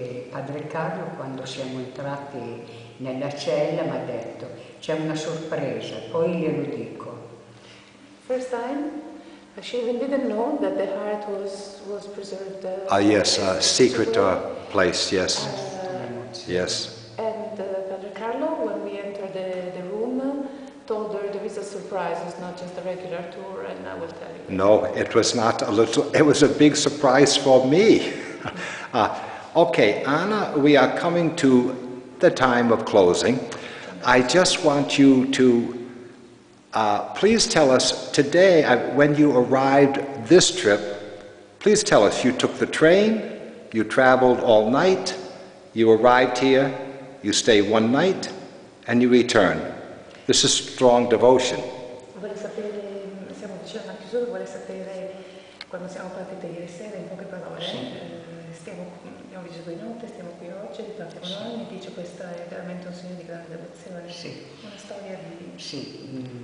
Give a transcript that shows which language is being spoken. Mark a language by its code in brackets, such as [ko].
[it] Padre Carlo, quando siamo entrati nella cella, mi ha detto: c'è una sorpresa. Poi glielo dico. [en] First time. She even didn't know that the heart was preserved. Yes, a secret place, yes. Yes. And Padre Carlo, when we entered the room, told her there is a surprise, it's not just a regular tour, and I will tell you. No, it was not a little, it was a big surprise for me. Okay, Anna, we are coming to the time of closing. I just want you to please tell us today, when you arrived this trip, please tell us you took the train, you traveled all night, you arrived here, you stay one night, and you return. This is strong devotion. [it] Vuole sapere, siamo vicino a chiusura, vuole sapere quando siamo partiti ieri sera, in poche parole. Abbiamo vissuto di notte, stiamo qui oggi, ritorniamo noi. Mi dice questo è veramente un segno di grande devozione. Sì. Una storia di. Sì.